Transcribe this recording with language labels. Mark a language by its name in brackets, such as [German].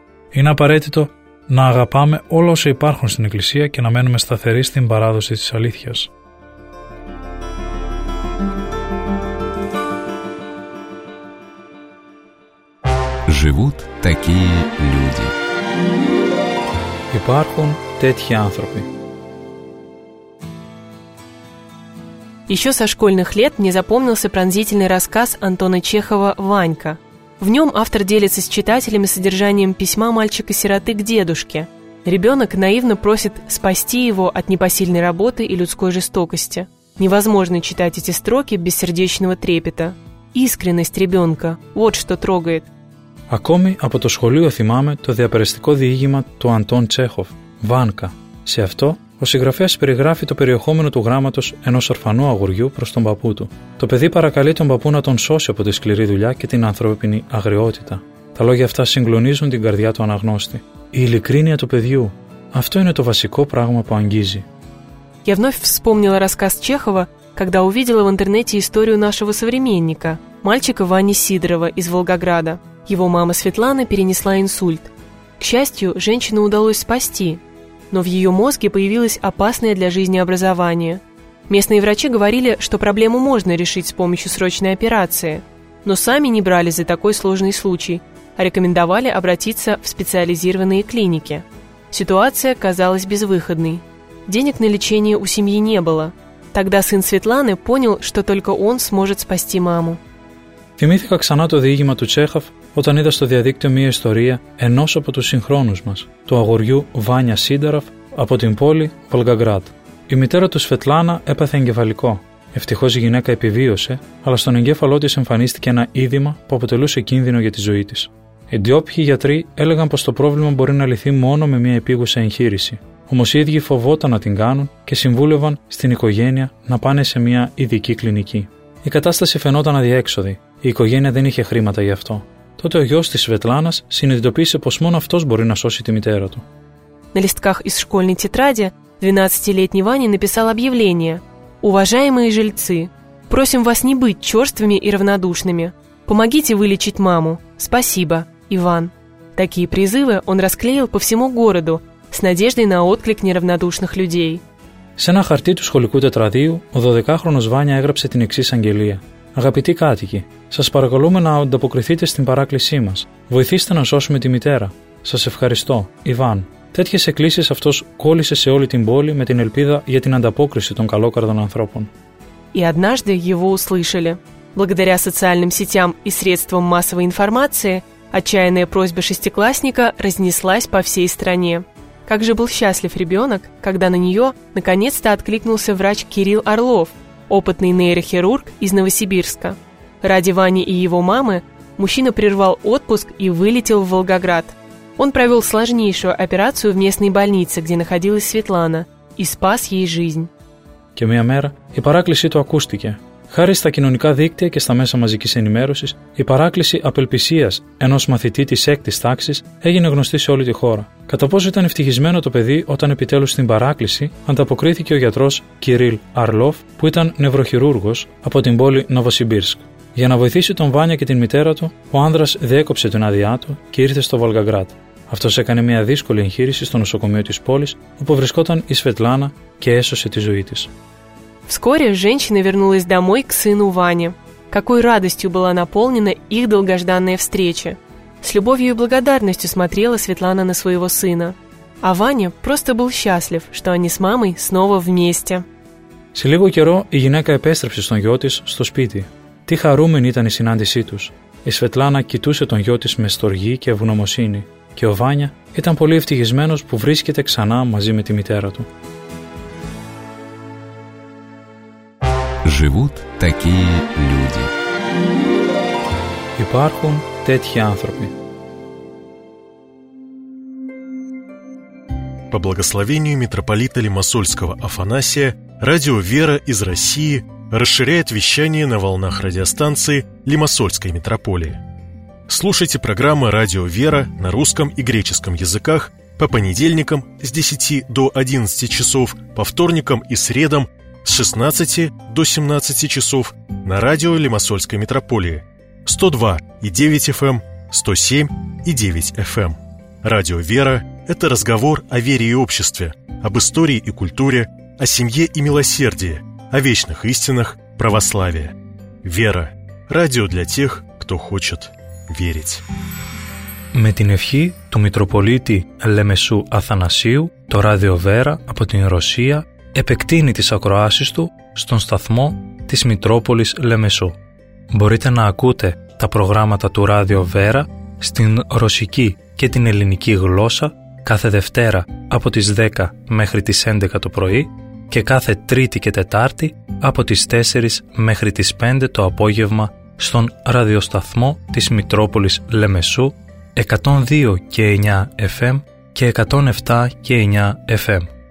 [Greek] Είναι απαραίτητο να αγαπάμε όλα όσα υπάρχουν στην Εκκλησία και να μένουμε σταθεροί στην παράδοση της αλήθειας». [Russian] Живут такие люди. [Greek] Υπάρχουν τέτοιοι άνθρωποι. [Russian] Еще со школьных лет мне запомнился пронзительный рассказ Антона Чехова «Ванька». В нем автор делится с читателями содержанием письма мальчика-сироты к дедушке. Ребенок наивно просит спасти его от непосильной работы и людской жестокости. Невозможно читать эти строки без сердечного трепета. Искренность ребенка – вот что трогает. [Greek] Ακόμη από το σχολείο θυμάμαι το διαπεριστικό διήγημα του Αντών Τσέχοφ, «Βάνκα». Σε αυτό, ο συγγραφέας περιγράφει το περιεχόμενο του γράμματος ενός ορφανού αγοριού προς τον παππού του. Το παιδί παρακαλεί τον παππού να τον σώσει από τη σκληρή δουλειά και την ανθρώπινη αγριότητα. Τα λόγια αυτά συγκλονίζουν την καρδιά του αναγνώστη. Η ειλικρίνεια του παιδιού. Αυτό είναι το βασικό πράγμα που αγγίζει. [Russian] Я вновь вспомнила рассказ Чехова, когда увидела в интернете историю нашего современника, мальчика Вани Сидорова из Волгограда. Его мама Светлана перенесла инсульт. К счастью, женщину удалось спасти, но в ее мозге появилось опасное для жизни образование. Местные врачи говорили, что проблему можно решить с помощью срочной операции, но сами не брали за такой сложный случай, а рекомендовали обратиться в специализированные клиники. Ситуация казалась безвыходной. Денег на лечение у семьи не было. Тогда сын Светланы понял, что только он сможет спасти маму. [Greek] Θυμήθηκα ξανά το διήγημα του Τσέχοφ όταν είδα στο διαδίκτυο μία ιστορία ενός από τους συγχρόνους μας, του αγοριού Βάνια Σίνταραφ από την πόλη Βολγκαγκράτ. Η μητέρα του Σβετλάνα έπαθε εγκεφαλικό. Ευτυχώς η γυναίκα επιβίωσε, αλλά στον εγκέφαλό της εμφανίστηκε ένα είδημα που αποτελούσε κίνδυνο για τη ζωή της. Οι ντόπιοι γιατροί έλεγαν πως το πρόβλημα μπορεί να λυθεί μόνο με μία επίγουσα εγχείρηση. Όμως οι ίδιοι φοβόταν να την κάνουν και συμβούλευαν στην οικογένεια να πάνε σε μία ειδική κλινική. Η κατάσταση φαινόταν αδιέξοδη. Η οικογένεια δεν είχε χρήματα γι' αυτό. Τότε ο γιος της Σβετλάνας συνειδητοποίησε πως μόνο αυτός μπορεί να σώσει τη μητέρα του. [Russian] На листках из школьной тетради 12-летний Ваня написал объявление. «Уважаемые жильцы, просим вас не быть черствыми и равнодушными. Помогите вылечить маму. Спасибо, Иван». Такие призывы он расклеил по всему городу с надеждой на отклик неравнодушных людей. [Greek] Σε ένα χαρτί του σχολικού τετραδίου, ο 12χρονος Βάνια έγραψε την εξής αγγελία. «Αγαπητοί κάτοικοι, σας παρακαλούμε να ανταποκριθείτε στην παράκλησή μας. Βοηθήστε να σώσουμε τη μητέρα. Σας ευχαριστώ, Ιβάν». Τέτοιες εκκλήσεις αυτός κόλλησε σε όλη την πόλη με την ελπίδα για την ανταπόκριση των καλόκαρδων ανθρώπων. [Russian] И однажды его услышали. Благодаря социальным сетям и средствам массовой информации, отчаянная просьба шестиклассника разнеслась по всей стране. Как же был счастлив ребенок, когда на нее наконец-то откликнулся врач Кирилл Орлов, опытный нейрохирург из Новосибирска. Ради Вани и его мамы мужчина прервал отпуск и вылетел в Волгоград. Он провел сложнейшую операцию в местной больнице, где находилась Светлана, и спас ей жизнь. [Greek] Και μια μέρα η παράκλησή του ακούστηκε. Χάρη στα κοινωνικά δίκτυα και στα μέσα μαζικής ενημέρωσης, η παράκληση απελπισίας ενός μαθητή της έκτης τάξης έγινε γνωστή σε όλη τη χώρα. Κατά πόσο ήταν ευτυχισμένο το παιδί όταν επιτέλους στην παράκληση ανταποκρίθηκε ο γιατρός Κυρίλ Αρλόφ, που ήταν νευροχειρούργος από την πόλη Νοβοσιμπίρσκ. Για να βοηθήσει τον Βάνια και την μητέρα του, ο άνδρας διέκοψε την άδειά του και ήρθε στο Βολγκαγκράτ. Αυτός έκανε μια δύσκολη εγχείρηση στο νοσοκομείο της πόλης, όπου βρισκόταν η Σβετλάνα και έσωσε τη ζωή της. [Russian] Вскоре женщина вернулась домой к сыну Ване. Какой радостью была наполнена их долгожданная встреча. С любовью и благодарностью смотрела Светлана на своего сына. А Ваня просто был счастлив, что они с мамой снова вместе. [Greek] Σε λίγο καιρό η γυναίκα επέστρεψε στον γιο της στο σπίτι. Τι χαρούμενη ήταν η συνάντησή τους. Η Σβετλάνα κοιτούσε τον γιο της με στοργή και ευγνωμοσύνη. Και ο Βάνια ήταν πολύ ευτυχισμένος που βρίσκεται ξανά μαζί με τη μητέρα του. [Russian] Живут такие люди. [Greek] Υπάρχουν τέτοιοι άνθρωποι. [Russian] По благословению митрополита Лимассольского Афанасия, радио «Вера» из России расширяет вещание на волнах радиостанции Лимассольской митрополии. Слушайте программы «Радио «Вера» на русском и греческом языках по понедельникам с 10 до 11 часов, по вторникам и средам с 16 до 17 часов на радио Лимассольской митрополии 102.9 FM, 107.9 FM. Радио «Вера» – это разговор о вере и обществе, об истории и культуре, о семье и милосердии, о вечных истинах православия. «Вера» – радио для тех, кто хочет верить. [Greek] Με την ευχή του Митрополиτη Λεμεσού Αθανασίου, το Ράδιο Βέρα από την Ρωσία επεκτείνει τις ακροάσεις του στον σταθμό της Μητρόπολης Λεμεσού. Μπορείτε να ακούτε τα προγράμματα του Ράδιο Βέρα στην ρωσική και την ελληνική γλώσσα κάθε Δευτέρα από τις 10 μέχρι τις 11 το πρωί και κάθε Τρίτη και Τετάρτη από τις 4 μέχρι τις 5 το απόγευμα στον ραδιοσταθμό της Μητρόπολης Λεμεσού 102 και 9 FM και 107 και 9 FM.